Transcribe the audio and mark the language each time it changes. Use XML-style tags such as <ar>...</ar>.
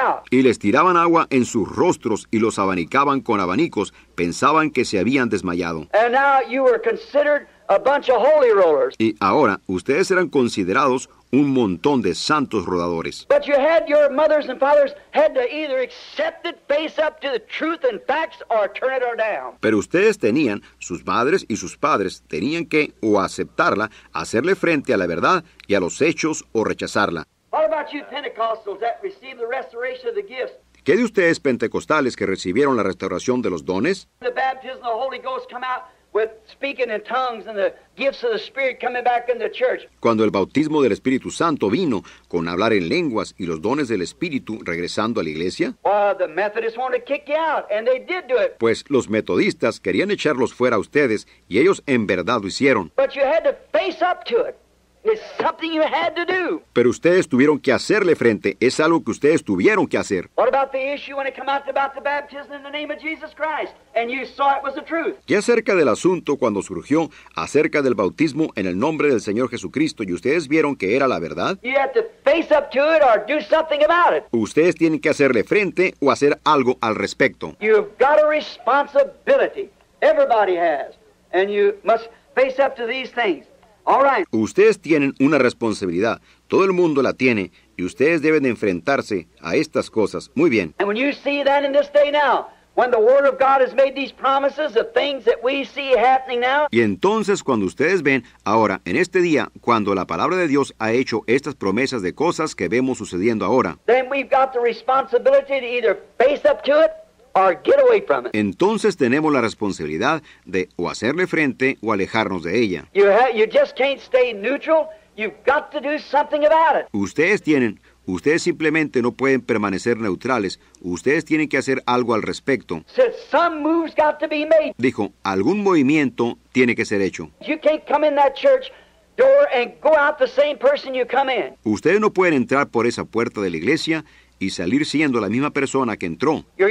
<es>Y les tiraban agua en sus rostros y los abanicaban con abanicos. Pensaban que se habían desmayado.</es> <en>And now you were considered a bunch of holy rollers.</en> <es>Y ahora ustedes eran considerados un montón de santos rodadores.</es> <en>But you had your mothers and fathers had to either accept it, face up to the truth and facts, or turn it or down.</en> <es>Pero ustedes tenían, sus madres y sus padres tenían que o aceptarla, hacerle frente a la verdad y a los hechos o rechazarla.</es> <en>What about you Pentecostals that received the restoration of the gifts?</en> <es>¿Qué de ustedes pentecostales que recibieron la restauración de los dones?</es> <en>The baptism of the Holy Ghost come out with speaking in tongues and the gifts of the Spirit coming back in the church.</en> <es>Cuando el bautismo del Espíritu Santo vino con hablar en lenguas y los dones del Espíritu regresando a la iglesia.</es> <en>Well, the Methodists wanted to kick you out, and they did do it.</en> <es>Pues los metodistas querían echarlos fuera a ustedes, y ellos en verdad lo hicieron.</es> <en>But you had to face up to it. It's something you had to do.</en> <es>Pero ustedes tuvieron que hacerle frente. Es algo que ustedes tuvieron que hacer.</es> <en>What about the issue when it came out about the baptism in the name of Jesus Christ? And you saw it was the truth.</en> <es>¿Qué acerca del asunto cuando surgió acerca del bautismo en el nombre del Señor Jesucristo y ustedes vieron que era la verdad?</es> <en>You had to face up to it or do something about it.</en> <es>Ustedes tienen que hacerle frente o hacer algo al respecto.</es> <en>You've got a responsibility. Everybody has. And you must face up to these things. All right.</en> <es>Ustedes tienen una responsabilidad. Todo el mundo la tiene. Y ustedes deben de enfrentarse a estas cosas. Muy bien.</es> <en>And when you see that in this day now, when the Word of God has made these promises of things that we see happening now.</en> <es>Y entonces cuando ustedes ven ahora, en este día, cuando la palabra de Dios ha hecho estas promesas de cosas que vemos sucediendo ahora.</es> <en>Then we've got the responsibility to either face up to it or get away from it.</en> <es>Entonces tenemos la responsabilidad de o hacerle frente o alejarnos de ella.</es> <en>You just can't stay neutral. You've got to do something about it.</en> <es>Ustedes simplemente no pueden permanecer neutrales. Ustedes tienen que hacer algo al respecto.</es> <en>So some move's got to be made.</en> <es>Dijo, algún movimiento tiene que ser hecho.</es> <en>You can't come in that church door and go out the same person you come in.</en> <es>Ustedes no pueden entrar por esa puerta de la iglesia y salir siendo la misma persona que entró.</es>